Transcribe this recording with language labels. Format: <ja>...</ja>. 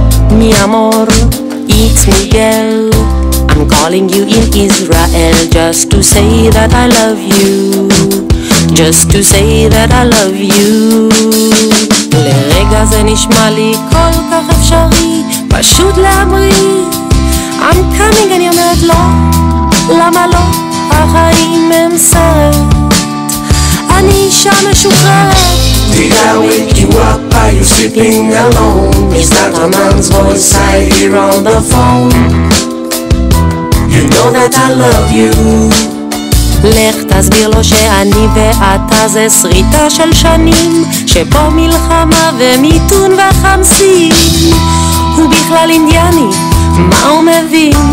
<he>מי אמור,</he> <en>it's Miguel. I'm calling you in Israel just to say that I love you. Just to say that I love you.</en> <he>לרגע זה נשמע לי כל כך אפשרי, פשוט להמריא.</he> <en>I'm coming,</en> <he>אני אומרת לא, למה לא? החיים הם סרט, אני אישה משוחררת.</he> <en>Did I wake you up? Are you sleeping alone? Is that a man's voice I hear on the phone? You know that I love you.</en> <he>לך תסביר לו שאני ואתה זה שריטה של שנים, שפה מלחמה ומיתון וחמסים. הוא בכלל אינדיאני, מה הוא מבין?</he>